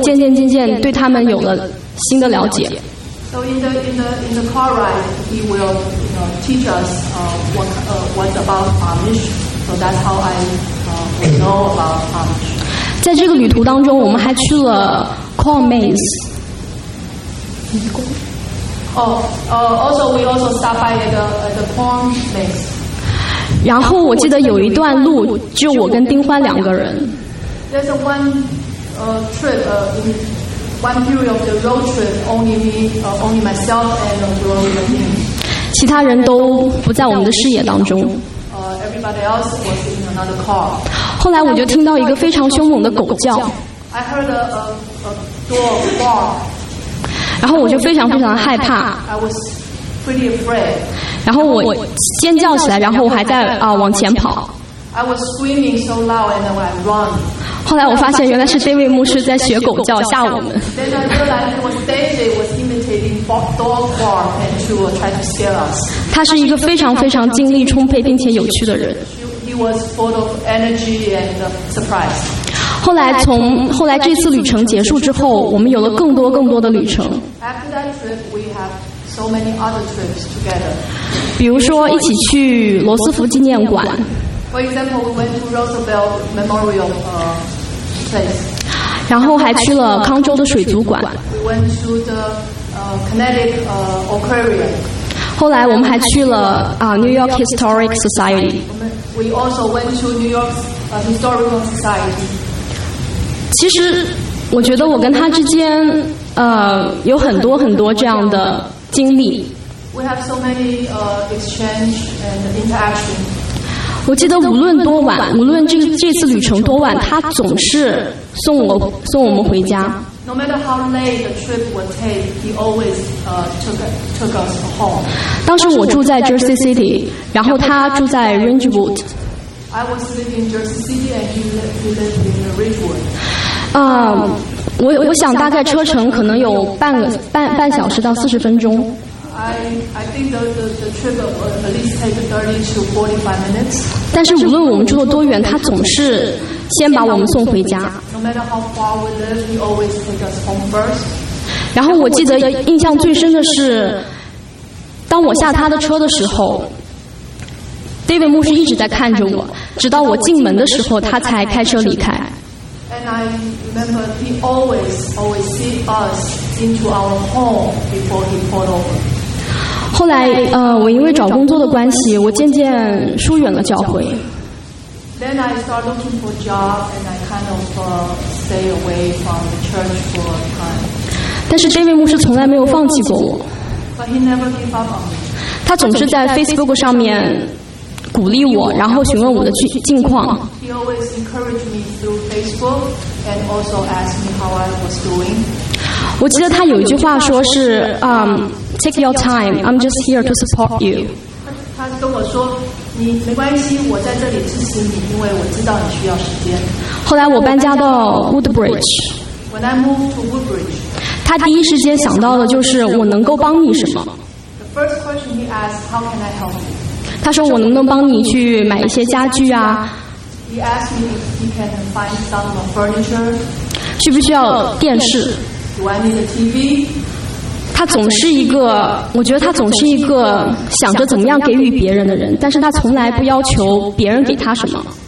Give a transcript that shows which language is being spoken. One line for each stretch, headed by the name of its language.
Chinese: 然后我渐渐对他们有了新的了解。
English: So in the car ride, he will teach us what's about Amish. So that's how I know about Amish.
Chinese: 在这个旅途当中，我们还去了 Corn Maze.
English: Also we also stopped by the Corn Maze.
Chinese: 然后我记得有一段路就我跟丁欢两个人。
English: There's a one trip in. One period of the road trip, only myself and the girl with him.
Chinese: 其他人都不在我们的视野当中。
English: Everybody else was in another car.
Chinese: 后来我就听到一个非常凶猛的狗叫。
English: I heard a dog bark.
Chinese: 然后我就非常非常的害怕。
English: I was pretty afraid.
Chinese: 然后我尖叫起来，然后我还在往前跑。
English: I was screaming so loud and then I run.
Chinese: 后来我发现原来是 David 牧师在学狗叫吓我们。
English: Then I realized it was David was imitating dog bark and to try to scare us.
Chinese: 他是一个非常非常精力充沛并且有趣的人。
English: He was full of energy and surprise.
Chinese: 后来从后来这次旅程结束之后，我们有了更多更多的旅程。
English: After that trip, we have so many other trips together.
Chinese: 比如说一起去罗斯福纪念馆。
English: For example, we went to Roosevelt Memorial place.
Chinese: 然后还去了康州的水族馆。
English: We went to the Kinetic Aquarium.
Chinese: 后来我们还去了New York Historic Society.
English: We also went to New York Historical Society.
Chinese: 其实我觉得我跟他之间有很多很多这样的经历。
English: We have so many exchange and interaction.
Chinese: 我记得无论多晚，无论这次旅程多晚，他总是送我们回家。
English: No matter how late the trip would take, he always took us home.
Chinese: 当时我住在 Jersey City， 然后他住在 Ridgewood。
English: I was living in Jersey City and he lived in Ridgewood.
Chinese: 我想大概车程可能有半小时到40分钟。
English: I think the trip will at least take 30 to 45 minutes.
Chinese: 但是无论我们住了多远，他总是先把我们送回家。
English: No matter how far we live, he always take us home first.
Chinese: 然后我记得印象最深的是，当我下他的车的时候 ，David 牧师一直在看着我，直到我进门的时候，他才开车离开。
English: And I remember he always see us into our home before he pulled over.
Chinese: 后来，我因为找工作的关系，我渐渐疏远了教会。
English: Then I started looking for job and I kind of stay away from the church for a time.
Chinese: 但是 David 牧师从来没有放弃过我。
English: But he never gave up on me.
Chinese: 他总是在 Facebook 上面鼓励我，然后询问我的近况。
English: He always encouraged me through Facebook and also asked me how I was doing.
Chinese: 我记得他有一句话说是， Take your time.
English: I'm just here to support you.
Chinese: 他跟我说，你没关系，我在这里支持你，因为我知道你需要时间。后来我搬家到 Woodbridge.
English: When I moved to Woodbridge,
Chinese: 他第一时间想到的就是我能够帮你什么。
English: The first question he asked, "How can I help you?"
Chinese: 他说我能不能帮你去买一些家具啊
English: ？He asked me if he can find some furniture.
Chinese: 需不需要电视
English: ？Do I need a TV?
Chinese: 他总是一个，我觉得他总是一个想着怎么样给予别人的人，但是他从来不要求别人给他什么。